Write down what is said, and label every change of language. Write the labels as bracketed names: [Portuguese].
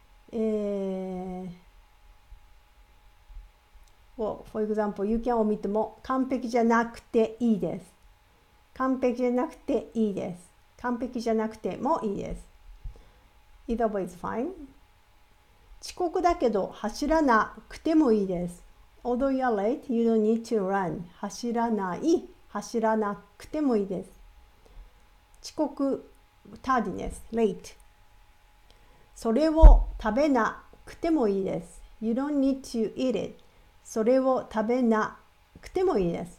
[English] Well, for example, you can omit more. [Japanese] 完璧じゃなくていいです。完璧じゃなくていいです。完璧じゃなくてもいいです。 [English] Either way is fine. [Japanese] 遅刻だけど走らなくてもいいです。 [English] Although you are late, you don't need to run. [Japanese] 走らない、走らなくてもいいです。 [English] 遅刻、tardiness, late. [Japanese] それを食べなくてもいいです。 [English] You don't need to eat it. [Japanese] それを食べなくてもいいです。